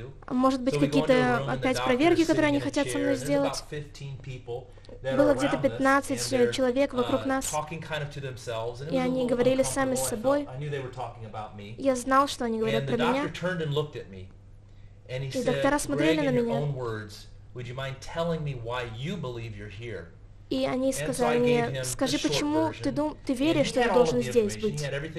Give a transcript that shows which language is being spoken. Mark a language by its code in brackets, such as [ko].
[ru] Может быть, какие-то опять проверки, которые они хотят со мной сделать. Было где-то 15 человек вокруг нас, и они говорили сами с собой. Я знал, что они говорят про меня. И доктора смотрели на меня. [en] Would you mind telling me why you believe you're here? [ru] И они сказали мне, скажи, почему ты веришь, что я должен здесь быть?